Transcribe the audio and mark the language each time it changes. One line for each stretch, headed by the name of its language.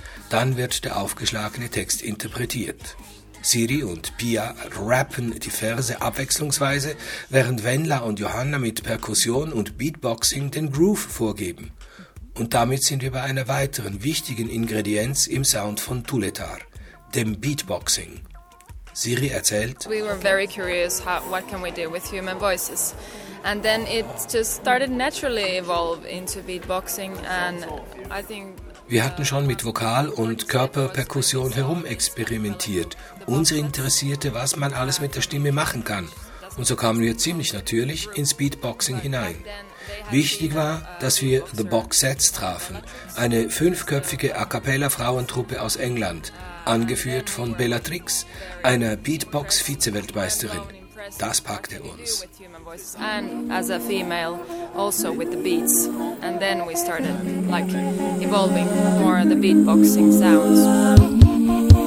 German: Dann wird der aufgeschlagene Text interpretiert. Siri und Pia rappen die Verse abwechslungsweise, während Wendla und Johanna mit Perkussion und Beatboxing den Groove vorgeben. Und damit sind wir bei einer weiteren wichtigen Ingredienz im Sound von Tuletar, dem Beatboxing. Siri erzählt,
English: we were very curious, what can we do with human voices? And then it just started naturally evolve into beatboxing and I think...
German: Wir hatten schon mit Vokal- und Körperperkussion herumexperimentiert. Uns interessierte, was man alles mit der Stimme machen kann. Und so kamen wir ziemlich natürlich ins Beatboxing hinein. Wichtig war, dass wir The Box Sets trafen, eine fünfköpfige A Cappella-Frauentruppe aus England, angeführt von Bellatrix, einer Beatbox-Vize-Weltmeisterin. Das packte uns.
English: And as a female, also with the beats, and then we started like evolving more of the beatboxing sounds.